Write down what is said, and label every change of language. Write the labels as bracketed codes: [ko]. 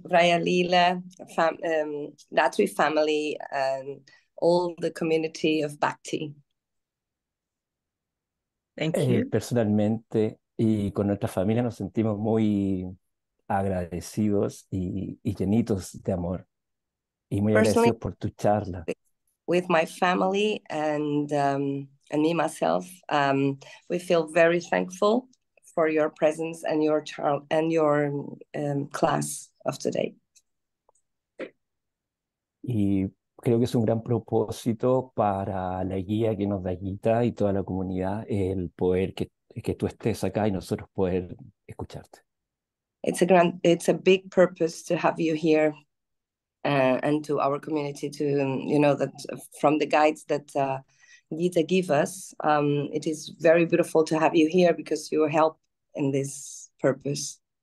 [en] Vrajalila, Datri family, and all the community of Bhakti. Thank you. [es] Personalmente y con nuestra familia nos sentimos muy agradecidos y llenitos de amor y muy [en] Personally, [es] agradecidos por tu charla. [en] with my family and me myself, we feel very thankful for your presence and your child and your class of today. [es] Y creo que es un gran propósito para la guía que nos da Gita y toda la comunidad el poder que tú estés acá y nosotros poder escucharte. [en] It's a big purpose to have you here. And to our community, that from the guides that Gita give us, it is very beautiful to have you here because you help in this purpose.